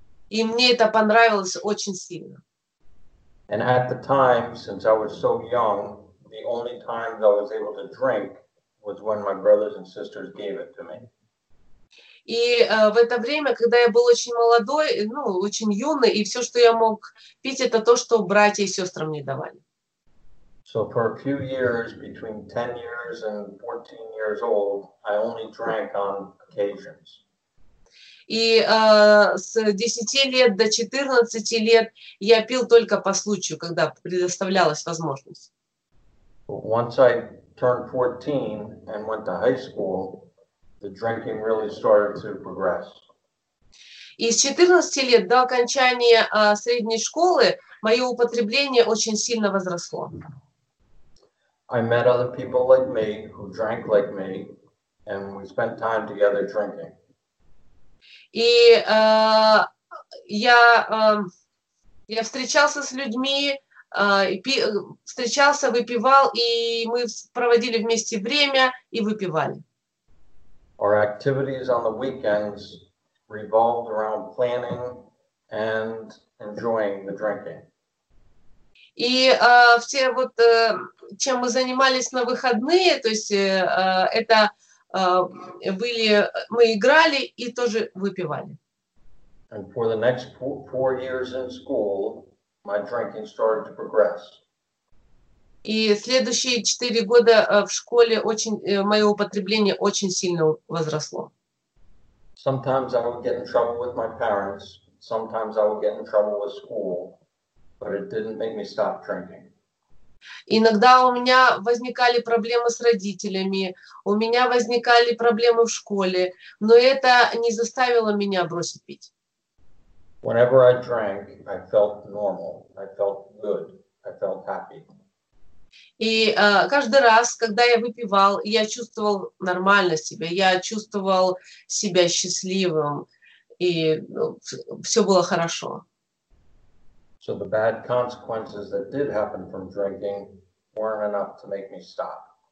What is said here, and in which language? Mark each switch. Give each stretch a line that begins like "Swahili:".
Russian: И мне это понравилось очень сильно.
English: And at the time, since I was so young, the only time that I was able to drink was when my brothers and sisters gave it to me.
Russian: И в это время, когда я был очень молодой, ну, очень юный, и все, что я мог пить, это то, что братья и сестры мне давали.
English: So for a few years, between 10 years and 14 years old, I only drank on occasions.
Russian: И с 10 лет до 14 лет я пил только по случаю, когда предоставлялась возможность.
English: Once I turned 14 and went to high school, the drinking really started to progress.
Russian: И с 14 лет до окончания средней школы мое употребление очень сильно возросло.
English: I met other people like me, who drank like me, and we spent time together drinking.
Russian: И я встречался с людьми, встречался, выпивал, и мы проводили вместе время и выпивали.
English: Our activities on the weekends revolved around planning and enjoying the drinking.
Russian: И все вот, чем мы занимались на выходные, то есть это были, мы играли и тоже выпивали.
English: And for the next four years in school, my drinking started to progress.
Russian: И следующие 4 года в школе мое употребление очень сильно возросло.
English: Sometimes I would get in trouble with my parents, sometimes I would get in trouble with school. But it didn't make me stop drinking.
Russian: Иногда у меня возникали проблемы с родителями, у меня возникали проблемы в школе, но это не заставило меня бросить пить.
English: Whenever I drank, I felt normal. I felt good. I felt happy.
Russian: И каждый раз, когда я выпивал, я чувствовал нормально себя, я чувствовал себя счастливым, и все было хорошо.
English: So the bad consequences that did happen from drinking weren't enough to make me stop.